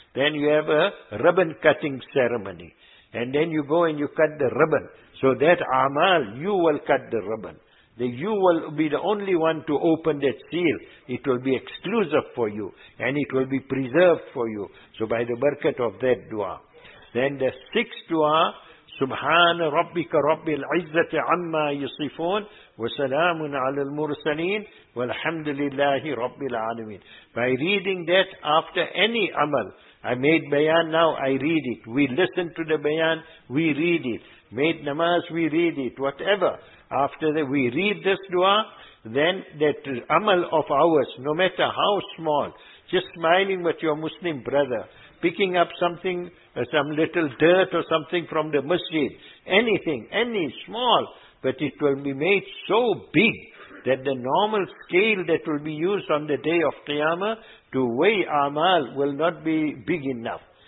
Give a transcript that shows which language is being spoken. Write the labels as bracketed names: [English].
[English] Then you have a ribbon cutting ceremony. And then you go and you cut the ribbon. So that amal, you will cut the ribbon. You will be the only one to open that seal. It will be exclusive for you. And it will be preserved for you. So by the barakat of that dua. Then the sixth dua, [Arabic] سبحان ربك رب العزة عما يصفون وسلام على المرسلين والحمد لله رب العالمين. [English] By reading that after any amal, I made bayan, now I read it. We listen to the bayan, we read it. Made namaz, we read it. Whatever. After that we read this dua, then that amal of ours, no matter how small, just smiling with your Muslim brother, picking up something, some little dirt or something from the masjid, anything, any small, but it will be made so big that the normal scale that will be used on the day of Qiyamah to weigh amal will not be big enough.